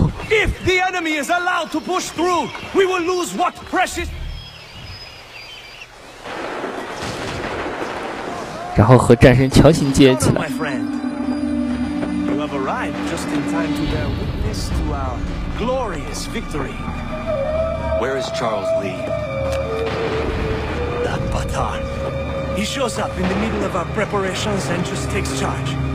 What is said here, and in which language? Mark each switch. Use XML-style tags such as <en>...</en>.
<en>If the enemy is allowed to push through, we will lose what precious...</en> <zh>然后和战神强行接起来。</zh> <en>You have arrived just in time to bear witness to our glorious victory. Where is Charles Lee? That baton. He shows up in the middle of our preparations and just takes charge.</en>